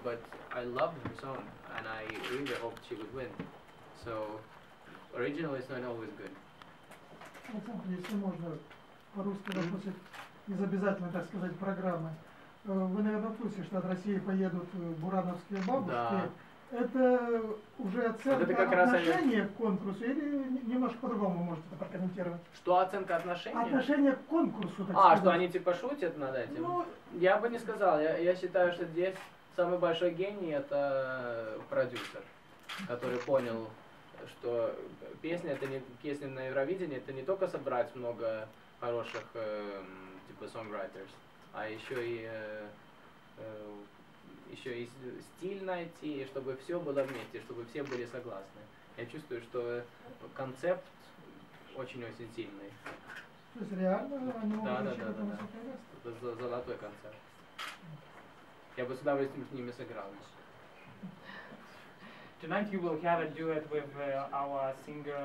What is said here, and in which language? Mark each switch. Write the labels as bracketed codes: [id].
[en] But I loved her song, and I really hoped she would win. So, original is not always good. [ru] Александр, если можно по-русски расписать, из обязательной, так сказать, программы. Вы, наверное, в курсе, что от России поедут бурановские бабушки. Да. Это уже оценка отношения к конкурсу или немножко по-другому можете это прокомментировать? Что оценка отношения? Отношение к конкурсу, так а, сказать. А, что они типа шутят над этим? Ну, я бы не сказал. Я считаю, что здесь самый большой гений – это продюсер, который понял, что песня это не песня на Евровидении, это не только собрать много хороших типа songwriters, а еще и стиль найти, чтобы все было вместе, чтобы все были согласны. Я чувствую, что концепт очень-очень сильный. То есть реально оно да. Это золотой концепт. Я бы с удовольствием с ними сыграл еще. [en] Tonight you will have a duet with our singer